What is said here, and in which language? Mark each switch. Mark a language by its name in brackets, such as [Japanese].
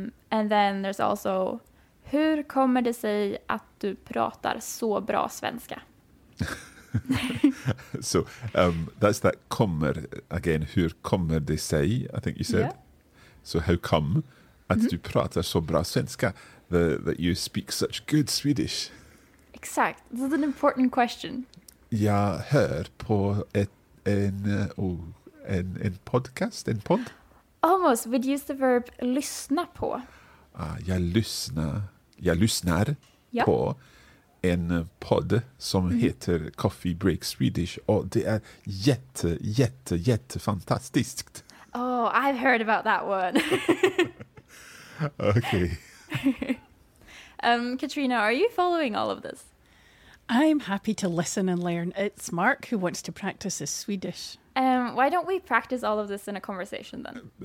[English] And then there's also, [Swedish] hur kommer det sig att du pratar så bra svenska? [English] So that's that kommer again. [Swedish] Hur kommer det sig, [English] I think you said. Yeah. So how come [Swedish] att du pratar så bra svenska, [English] that you speak such good Swedish? [Swedish] Exakt. [English] This is an important question. [Swedish] Jag hör på en podcast, en podd. [English] Almost. We'd use the verb lyssna på. [Swedish] Jag lyssnar yeah. på en podd som heter Coffee Break Swedish, och det är jätte fantastiskt. [English] Oh, I've heard about that one. Okay. Katrina, are you following all of this? I'm happy to listen and learn. It's Mark who wants to practice his Swedish. Why don't we practice all of this in a conversation then?